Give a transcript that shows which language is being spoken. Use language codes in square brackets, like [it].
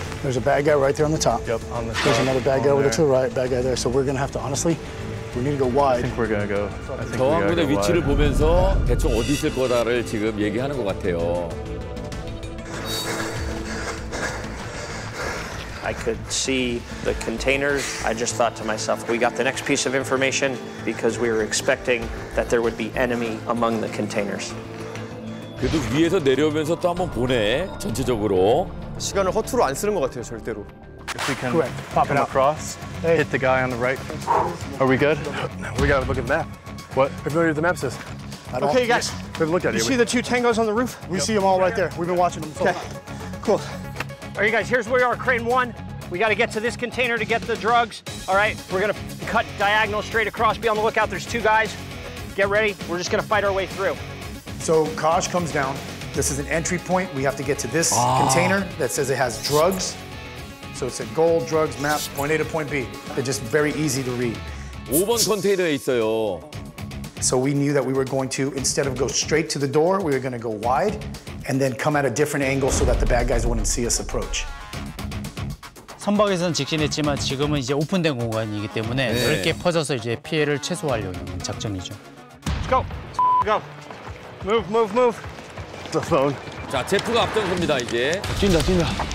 [en] There's a bad guy right there on the top. Yep, on the top. There's another bad guy over there to the right, bad guy there. So we're gonna have to, honestly, we need to go wide. I think we're gonna go. [ko] 저항군의 위치를 보면서 대충 어디 있을 거다를 지금 얘기하는 것 같아요. [en] I could see the containers. I just thought to myself, we got the next piece of information because we were expecting that there would be enemy among the containers. [ko] 그래도 위에서 내려오면서 또 한번 보네, 전체적으로. 시간을 허투루 안 쓰는 것 같아요, 절대로. [en] If we can correct. Pop it across, hey. Hit the guy on the right. Are we good? We gotta look at the map. What? Familiar with the map, sis. Okay, you guys. Yes. Look at you see the two tangos on the roof? We yep. see them all right there. We've been watching them. Okay, cool. All right, you guys, here's where we are, crane one. We got to get to this container to get the drugs. All right, we're going to cut diagonal straight across. Be on the lookout. There's two guys. Get ready. We're just going to fight our way through. So Kosh comes down. This is an entry point. We have to get to this container that says it has drugs. So it's a gold drugs map, point A to point B. They're just very easy to read. [ko] 5번 컨테이너에 있어요. [en] So we knew that we were going to, instead of go straight to the door, we were going to go wide. And then come at a different angle so that the bad guys wouldn't see us approach. [ko] 선박에서는 직진했지만 지금은 이제 오픈된 공간이기 때문에 네. 넓게 퍼져서 이제 피해를 최소화하려는 작전이죠. [en] Let's go. Go. Move, move, move. The phone. [ko] 자, 제프가 앞장섭니다 이제. 뛴다, 뛴다.